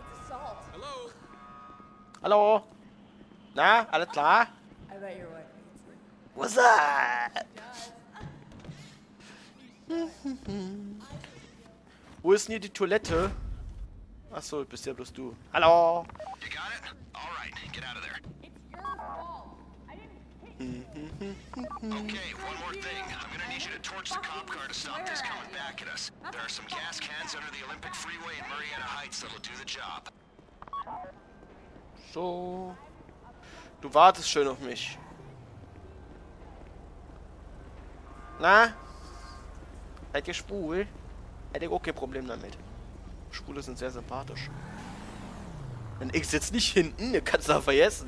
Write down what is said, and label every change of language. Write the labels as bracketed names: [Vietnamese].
[German] Hallo? Hallo? Na, alles klar? [English] What's up? [German] Wo ist denn hier die Toilette? Achso, bist ja bloß du. Hallo? [English] You got it? All right, get out of there. It's your fault. I didn't hit you. Okay, one more thing. I'm gonna need you to torch the cop car to stop this coming back at us. There are some gas cans under the Olympic Freeway in Marietta Heights that'll do the job. So. [German] Du wartest schön auf mich. Na? Seid ihr schwul? Hätte ich auch kein Problem damit. Schwule sind sehr sympathisch. Denn ich sitze nicht hinten, ihr könnt es auch vergessen.